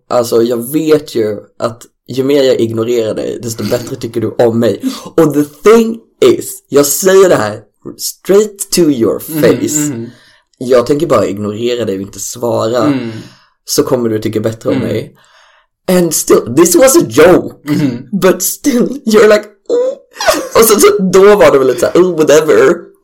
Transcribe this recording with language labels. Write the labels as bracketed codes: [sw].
[sv] Alltså jag vet ju att ju mer jag ignorerar dig, desto bättre tycker du om mig. Och [en] the thing is, [sv] jag säger det här [en] straight to your face. [sv] Jag tänker bara ignorera dig och inte svara. Så kommer du tycka bättre om mig. [en] And still, this was a joke. But still, you're like, [sv] och så då var det väl lite såhär, [en] oh whatever.